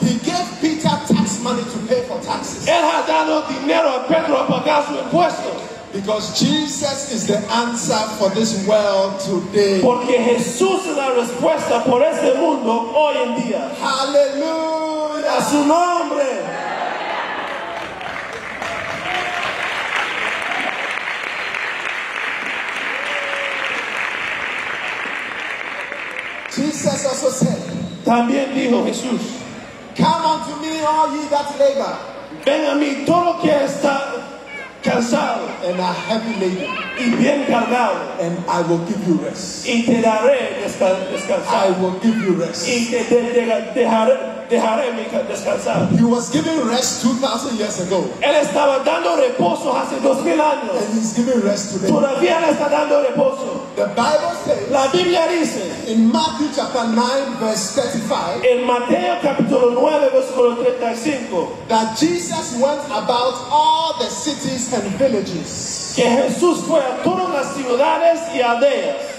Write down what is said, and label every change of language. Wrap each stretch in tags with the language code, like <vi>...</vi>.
<en>He gave Peter tax money to pay for taxes.</en> <es>Él ha dado dinero a Pedro a pagar su impuesto.</es> <en>Because Jesus is the answer for this world today.</en> <es>Porque Jesús es la respuesta por este mundo hoy en día.</es> <en>Hallelujah.</en> <es>A su nombre.</es> <en>Jesus also said.</en> <es>También dijo Jesús.</es> <en>Come unto me all ye that labor.</en> <es>Ven a mí todo que está cansado</es> <en>and a heavy laden,</en> <es>y bien cargado,</es> <en>and I will give you rest.</en> <es>Y te daré descansar.</es> <en>I will give you rest.</en> <es>Y te dejaré descansar.</es> <en>He was giving rest 2,000 years ago.</en> <es>Él estaba dando reposo hace 2,000 años.</es> <en>And he's giving rest today.</en> <es>Todavía él está dando reposo.</es> <en>The Bible says.</en> <es>La Biblia dice.</es> <en>In Matthew chapter 9 verse 35.</en> <es>En Mateo capítulo 9 versículo 35.</es> <en>That Jesus went about all the cities and villages.</en> <es>Que Jesús fue a todas las ciudades y aldeas.</es>